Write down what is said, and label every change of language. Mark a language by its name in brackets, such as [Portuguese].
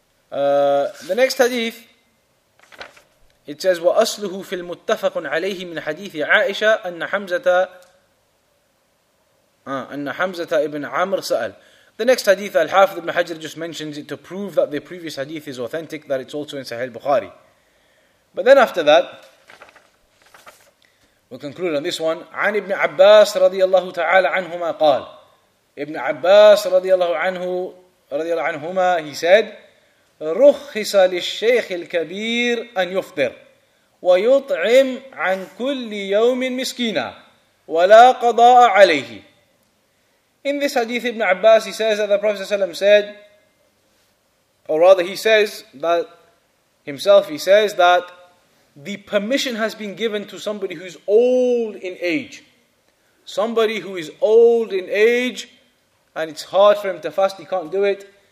[English] The next hadith, it says, [Arabic] وَأَصْلُهُ فِي الْمُتَّفَقٌ عَلَيْهِ مِنْ حَدِيثِ عَائِشَةَ أَنَّ حَمْزَةَ ابْنَ عَمْرٍ سَأَلْ. [English] The next hadith, Al-Hafidh ibn Hajr just mentions it to prove that the previous hadith is authentic, that it's also in Sahih Bukhari. But then after that, we'll conclude on this one. [Arabic] عَنِ ابْنِ عَبَّاسِ رَضِيَ اللَّهُ تَعَالَ عَنْهُمَا قَالْ. Ibn Abbas رَضِيَ اللَّهُ عَنْهُمَا, [English] he said, [Arabic] رخص للشيخ الكبير أن يفطر ويطعم عن كل يوم مسكينا ولا قضاء عليه. [English] In this hadith, Ibn Abbas, he says that the Prophet ﷺ said, or rather he says that himself, he says that the permission has been given to somebody who's old in age. Somebody who is old in age and it's hard for him to fast, he can't do it.